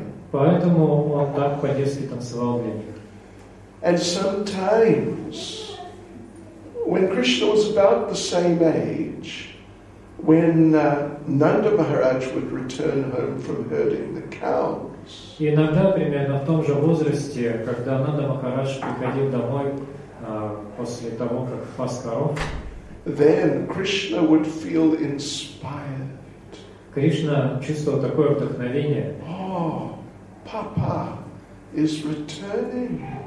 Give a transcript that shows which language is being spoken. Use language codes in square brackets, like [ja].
[ru] Поэтому он так по-детски танцевал для них. [en] And sometimes, when Krishna was about the same age, when Nanda Maharaj would return home from herding the cows, [ru] иногда примерно в том же возрасте, когда Нанда Махарадж приходил домой после того, как пас коров, [en] then Krishna would feel inspired. [ru] Кришна чувствовал такое вдохновение. [en] Oh, Papa is returning.